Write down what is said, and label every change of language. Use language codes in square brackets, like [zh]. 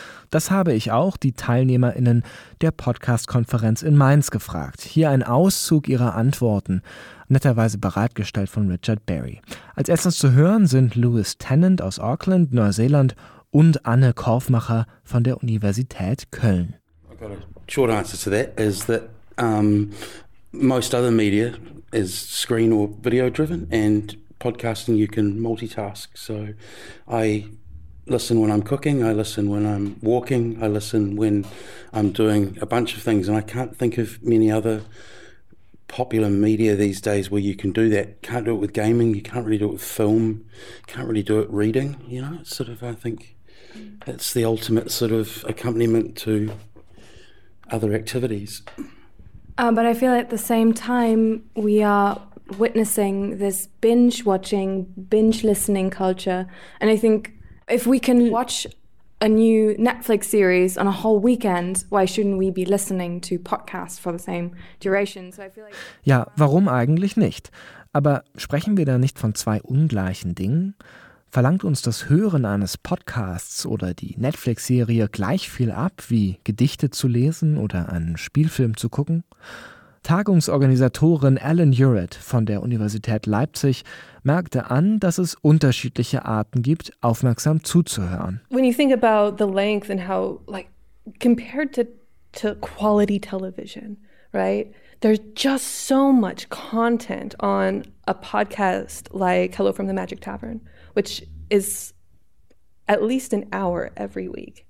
[de] Das habe ich auch die TeilnehmerInnen der Podcast-Konferenz in Mainz gefragt. Hier ein Auszug ihrer Antworten, netterweise bereitgestellt von Richard Berry. Als erstes zu hören sind Lewis Tennant aus Auckland, Neuseeland und Anne Korfmacher von der Universität Köln. [en] I've got a short answer to that is that most other media is screen or video driven and podcasting you can multitask. So I listen when I'm cooking, I listen when I'm walking, I listen when I'm doing a bunch of things, and I can't think of many other popular media these days where you can do that. Can't do it with gaming, you can't really do it with film, can't really do it reading, you know, it's sort of, I think that's the ultimate sort of accompaniment to other activities. But I feel at the same time we are witnessing this binge watching, binge listening culture, and I think if we can watch a new Netflix series on a whole weekend, why shouldn't we be listening to podcasts for the same duration? So I feel like. [de] Ja, warum eigentlich nicht? Aber sprechen wir da nicht von zwei ungleichen Dingen? Verlangt uns das Hören eines Podcasts oder die Netflix-Serie gleich viel ab, wie Gedichte zu lesen oder einen Spielfilm zu gucken? Tagungsorganisatorin Alan Urett von der Universität Leipzig merkte an, dass es unterschiedliche Arten gibt, aufmerksam zuzuhören. [en] When you think about the length and how, like, compared to quality television, right? There's just so much content on a podcast like Hello from the Magic Tavern, which is at least an hour every week.